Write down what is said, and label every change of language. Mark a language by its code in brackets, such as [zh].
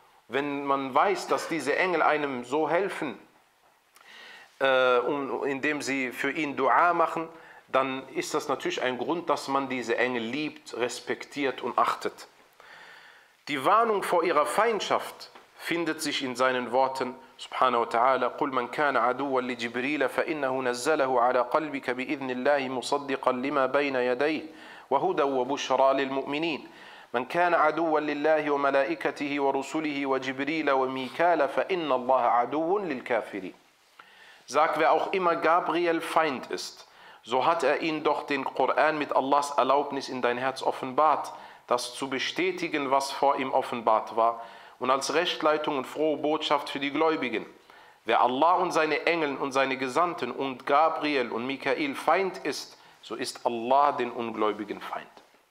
[de] Wenn man weiß, dass diese Engel einem so helfen, indem sie für ihn Dua machen, dann ist das natürlich ein Grund, dass man diese Engel liebt, respektiert und achtet. Die Warnung vor ihrer Feindschaft findet sich in seinen Worten. [ar] Subhanahu wa ta'ala, قُلْ مَنْ كَانَ عَدُوًا لِجِبْرِيلَ فَإِنَّهُ نَزَّلَهُ عَلَى قَلْبِكَ بِإِذْنِ اللَّهِ مُصَدِّقًا لِمَا بَيْنَ يَدَيْهِ وَهُدًى وَبُشْرَى لِلْمُؤْمِنِينَ مَنْ كَانَ عَدُوًا لِلَّهِ وَمَلَائِكَتِهِ وَرُسُلِهِ وَجِبْرِيلَ وَمِيكَالَ فَإِنَّ اللَّهَ عَدُوٌّ لِلْكَافِرِينَ. [de] Sag, wer auch immer Gabriel Feind ist, so hat er ihn doch den Koran mit Allahs Erlaubnis in dein Herz offenbart, das zu bestätigen, was vor ihm offenbart war, und als Rechtleitung und frohe Botschaft für die Gläubigen. Wer Allah und seine Engel und seine Gesandten und Gabriel und Mikael Feind ist, so ist Allah den Ungläubigen Feind.